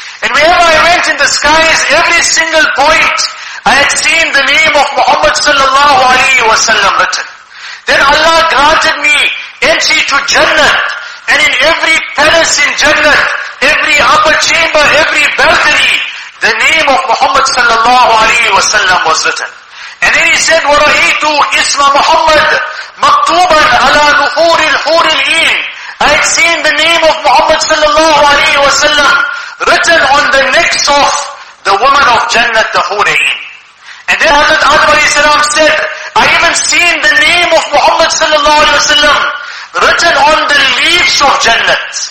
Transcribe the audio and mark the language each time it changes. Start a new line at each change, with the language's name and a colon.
English: And wherever I went in the skies, every single point, I had seen the name of Muhammad sallallahu alayhi wasallam written. Then Allah granted me entry to Jannah. And in every palace in Jannah, every upper chamber, every balcony, the name of Muhammad sallallahu alayhi wasallam was written. And then he said,
Arabic: وَرَأَيْتُ إِسْمَ مُحَمَّدْ مَكْتُوبًا عَلَى نُحُورِ الْحُورِ الْإِينَ.
English: I had seen the name of Muhammad sallallahu alayhi wasallam written on the necks of the woman of Jannah, the Hureen. And then Hazrat Adam alayhi salam said, I even seen the name of Muhammad sallallahu alayhi wasallam written on the leaves of Jannah.